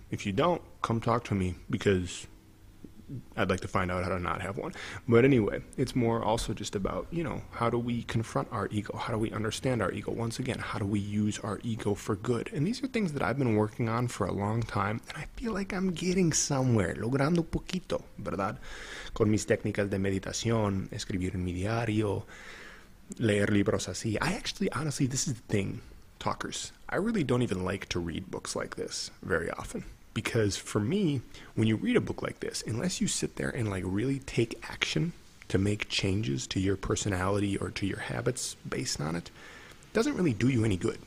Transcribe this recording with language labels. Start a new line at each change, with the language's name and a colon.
English: If you don't, come talk to me because I'd like to find out how to not have one. But anyway, it's more also just about, you know, how do we confront our ego? How do we understand our ego? Once again, how do we use our ego for good? And these are things that I've been working on for a long time, and I feel like I'm getting somewhere,
Spanish: logrando poquito, ¿verdad? Con mis técnicas de meditación, escribir en mi diario, leer libros así.
English: Honestly, this is the thing, talkers. I really don't even like to read books like this very often. Because for me, when you read a book like this, unless you sit there and like really take action to make changes to your personality or to your habits based on it, it doesn't really do you any good.